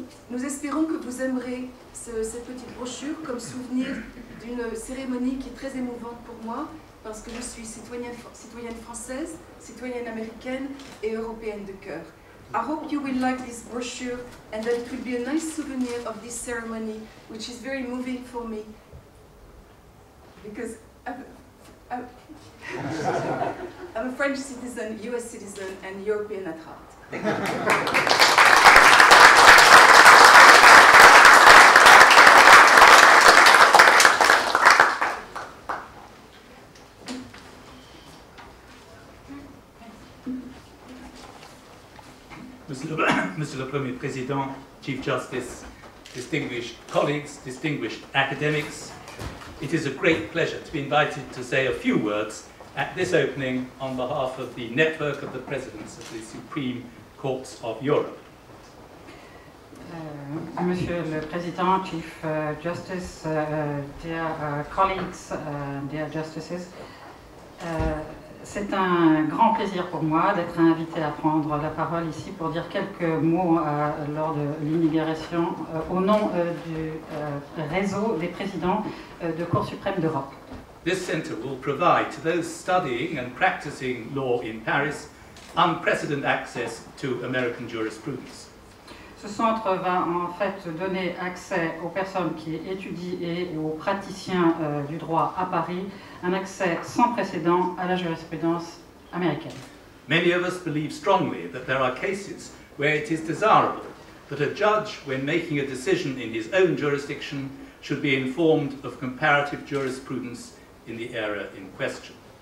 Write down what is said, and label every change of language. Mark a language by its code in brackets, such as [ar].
[fr] Nous espérons que vous aimerez cette petite brochure comme souvenir d'une cérémonie qui est très émouvante pour moi, parce que je suis citoyenne française, citoyenne américaine et européenne de cœur. [en] I hope you will like this brochure and that it will be a nice souvenir of this ceremony, which is very moving for me. Because I'm a French citizen, US citizen, and European at heart. Monsieur le Premier Président, Chief Justice, distinguished colleagues, distinguished academics, it is a great pleasure to be invited to say a few words at this opening on behalf of the network of the Presidents of the Supreme Courts of Europe. [fr] Monsieur le Président, Chief Justice, [en] dear colleagues, dear Justices, [fr] c'est un grand plaisir pour moi d'être invité à prendre la parole ici pour dire quelques mots lors de l'inauguration au nom du réseau des présidents de Cour suprême d'Europe. [en] This center will provide to those studying and practicing law in Paris unprecedented access to American jurisprudence. [fr] Ce centre va en fait donner accès aux personnes qui étudient et aux praticiens du droit à Paris un accès sans précédent à la jurisprudence américaine. [en] Many of us believe strongly that there are cases where it is desirable that a judge, when making a decision in his own jurisdiction, should be informed of comparative jurisprudence in the area in question.